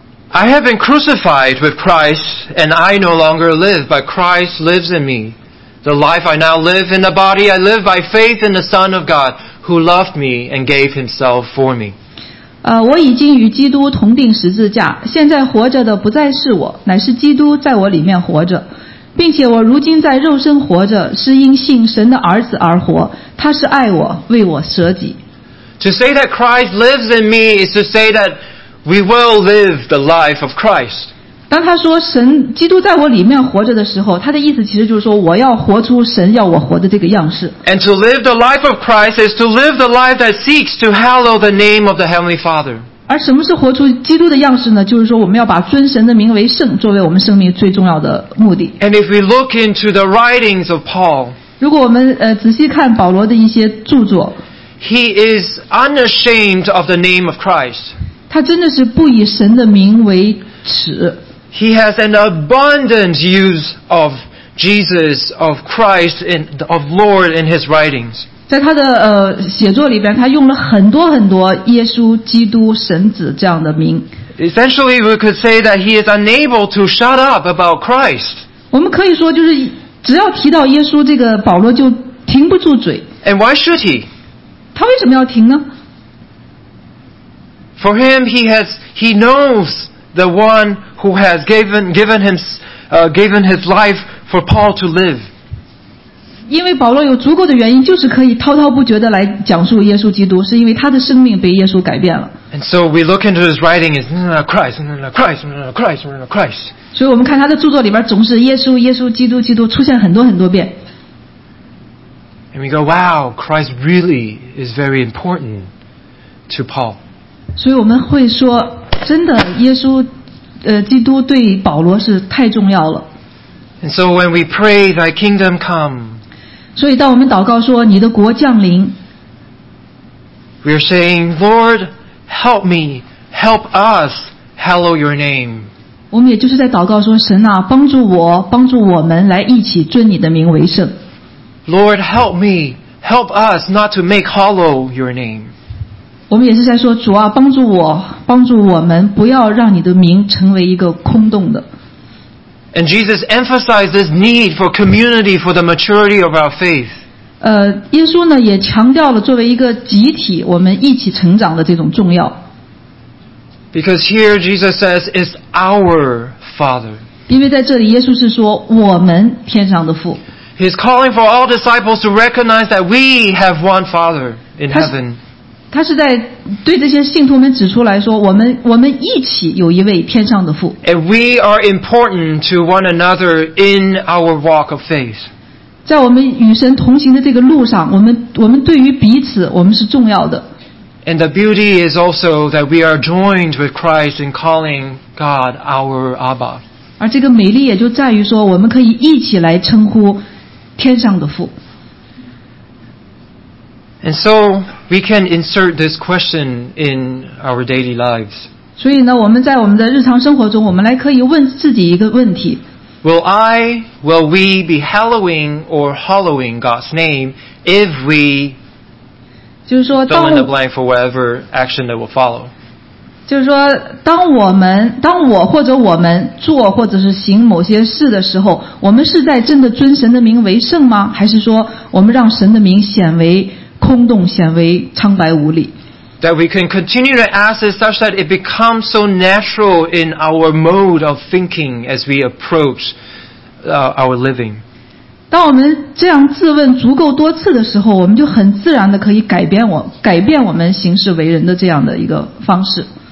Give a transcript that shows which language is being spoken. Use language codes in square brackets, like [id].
[en] I have been crucified with Christ, and I no longer live, but Christ lives in me. The life I now live in the body, I live by faith in the Son of God, who loved me and gave himself for me. [zh] 我已经与基督同钉十字架，现在活着的不再是我，乃是基督在我里面活着，并且我如今在肉身活着，是因信神的儿子而活，他是爱我，为我舍己。 [en] To say that Christ lives in me is to say that we will live the life of Christ. [zh] 当他说神基督在我里面活着的时候，他的意思其实就是说我要活出神要我活的这个样式。 [en] And to live the life of Christ is to live the life that seeks to hallow the name of the Heavenly Father. [zh] 而什么是活出基督的样式呢？就是说我们要把尊神的名为圣作为我们生命最重要的目的。 [en] And if we look into the writings of Paul, [zh] 如果我们仔细看保罗的一些著作， [en] He is unashamed of the name of Christ. [zh] 他真的是不以神的名为耻。 [en] He has an abundant use of Jesus, of Christ, and of Lord in his writings. [zh] 在他的, 写作里边, 他用了很多很多 耶稣, 基督, 神子, 这样的名。 [en] Essentially, we could say that he is unable to shut up about Christ. [zh] 我们可以说就是, 只要提到耶稣, 这个, 保罗就停不住嘴。 [en] And why should he? [zh] 他为什么要停呢? [en] For him, he knows the one who has given his life for Paul to live. [zh] 因为保罗有足够的原因, 就是可以滔滔不绝地来讲述耶稣基督, 是因为他的生命被耶稣改变了。 [en] And so we look into his writing, it's Christ, Christ, Christ, Christ, Christ. [zh] 所以我们看他的著作里边, 总是耶稣, 耶稣基督, 基督, 出现很多很多遍。 [en] And we go, wow, Christ really is very important to Paul. [zh] 所以我们会说, 真的, 耶稣, 基督对保罗是太重要了。 [en] And so when we pray, thy kingdom come, [zh] 所以当我们祷告说, 你的国降临, [en] we are saying, Lord, help me, help us, hallow your name. [zh] 我们也就是在祷告说, 神啊, 帮助我, 帮助我们, 来一起尊你的名为圣。 [en] Lord, help me, help us not to make hollow your name. [zh] 我们也是在说, 主啊, 帮助我, 帮助我们, 不要让你的名成为一个空洞的。 [en] And Jesus emphasized this need for community for the maturity of our faith. [zh] 耶稣呢, 也强调了, 作为一个集体, 我们一起成长的这种重要。 [en] Because here Jesus says, it's our Father. [zh] 因为在这里, 耶稣是说, 我们天上的父。 [en] He's calling for all disciples to recognize that we have one Father in heaven. [zh] 他是在对这些信徒们指出来说, 我们一起有一位天上的父。 [en] And we are important to one another in our walk of faith. [zh] 在我们与神同行的这个路上, 我们对于彼此, 我们是重要的。 [en] And the beauty is also that we are joined with Christ in calling God our Abba. [zh] 而这个美丽也就在于说, 我们可以一起来称呼 天上的父。 [en] And so we can insert this question in our daily lives. [zh] 所以呢, 我们在我们的日常生活中, 我们来可以问自己一个问题。 [en] Will we be hallowing or hollowing God's name if we [zh] 就是说, [en] fill in the blank for whatever action that will follow? [zh] 就是说, 当我或者我们做或者是行某些事的时候, 我们是在真的尊神的名为圣吗? 还是说我们让神的名显为空洞, 显为苍白无力? [en] That we can continue to ask it such that it becomes so natural in our mode of thinking as we approach our living. [zh] 当我们这样自问足够多次的时候, 我们就很自然地可以改变我们行事为人的这样的一个方式。